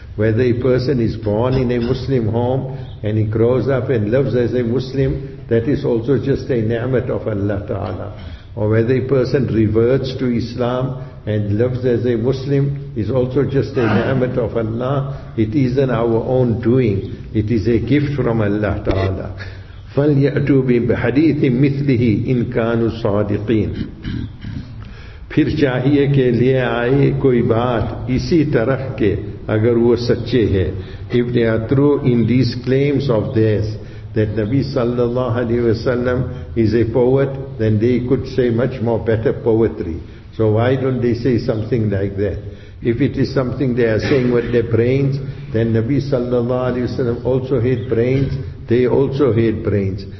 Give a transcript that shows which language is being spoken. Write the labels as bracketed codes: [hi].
[en] Whether a person is born in a Muslim home and he grows up and lives as a Muslim, that is also just a ni'mat of Allah Ta'ala. Or whether a person reverts to Islam and lives as a Muslim, is also just a ni'mat of Allah. It isn't our own doing. It is a gift from Allah Ta'ala. [ar] فَلْيَأْتُوا بِحَدِيثٍ مِثْلِهِ إِنْ كَانُوا صَادِقِينَ [ur] پھر چاہیے کہ لے آئے کوئی بات اسی طرح کے اگر وہ سچے ہیں. [en] If they are true in these claims of theirs, that Nabi sallallahu alayhi wa sallam is a poet, then they could say much more better poetry. So why don't they say something like that? If it is something they are saying with their brains, then Nabi sallallahu alayhi wa sallam also had brains, they also had brains.